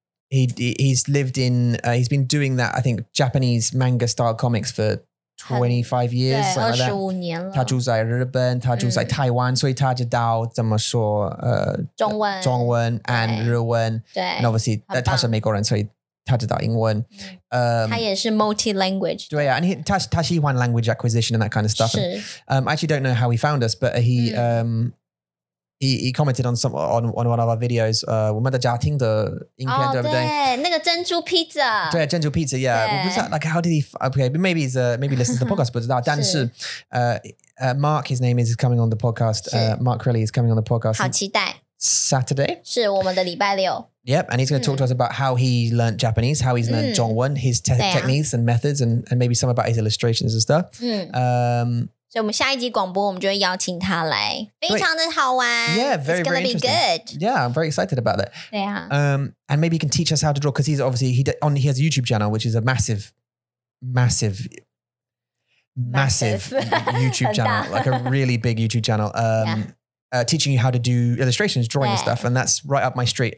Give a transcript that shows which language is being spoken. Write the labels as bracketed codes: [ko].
[en] He's lived in, he's been doing that, I think, Japanese manga style comics for 25 years. [zh] 对,25年了。他住在日本,他住在台湾, 所以他知道怎么说中文 [en] and [zh] 日文, [en] and obviously [zh] 他是美国人, 所以他知道英文。他也是 [en] multi-language. [zh] 对啊, [en] and [zh] 他喜欢 [en] language acquisition and that kind of stuff. [zh] 是。 [en] I actually don't know how he found us, but he... He commented on some on one of our videos. [zh] 我们的家庭的影片对不对？那个珍珠披萨。对，珍珠披萨, [en] yeah. Was that, like, how did he? Okay, maybe he's maybe he listens to the podcast, but [zh] 不知道。但是, [en] Mark, his name is coming on the podcast. Mark Crilly is coming on the podcast. [zh] 好期待。 [en] Saturday. [zh] 是我们的礼拜六。 [en] Yep, and he's going to talk to us about how he learned Japanese, how he's learned 中文, his techniques and methods, and maybe some about his illustrations and stuff. [zh] 所以我们下一集广播我们就会邀请他来，非常的好玩。 [en] Yeah, very, it's gonna very be good. Yeah, I'm very excited about that. Yeah. And maybe he can teach us how to draw because he's obviously he has a YouTube channel which is a massive YouTube channel, like a really big YouTube channel. Teaching you how to do illustrations, drawing and stuff, and that's right up my street.